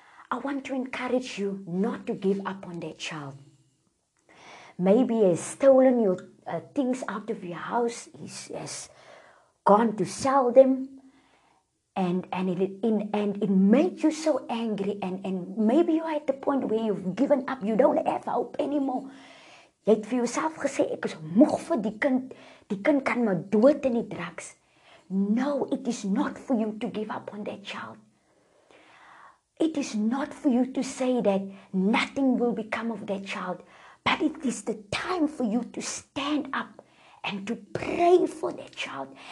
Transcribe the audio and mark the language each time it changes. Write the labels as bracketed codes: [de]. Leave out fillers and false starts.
[en] I want to encourage you not to give up on that child. Maybe he has stolen your things out of your house. He has gone to sell them. And it made you so angry. And maybe you are at the point where you've given up. You don't have hope anymore. [af] Jy het vir jouself gesê, ek is moeg vir die kind. Die kind kan my dood in die drugs. [en] No, it is not for you to give up on that child. It is not for you to say that nothing will become of that child. But it is the time for you to stand up and to pray for that child.